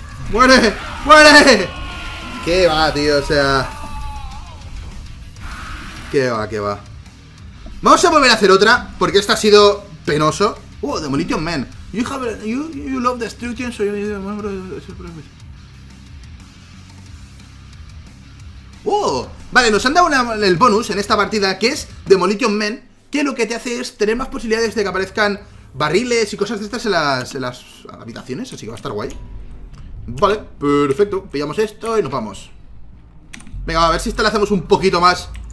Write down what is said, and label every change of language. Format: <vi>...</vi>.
<es>¡Muere! ¡Muere! ¿Qué va, tío? O sea... ¿Qué va, qué va? Vamos a volver a hacer otra, porque esta ha sido penoso. ¡Oh, Demolition Man!</es> <en>You have a, you love destruction, so you remember the promise.</en> <es>¡Oh! Vale, nos han dado el bonus en esta partida, que es Demolition Man, que lo que te hace es tener más posibilidades de que aparezcan barriles y cosas de estas en las habitaciones, así que va a estar guay. Vale, perfecto. Pillamos esto y nos vamos. Venga, a ver si esta la hacemos un poquito más...</es>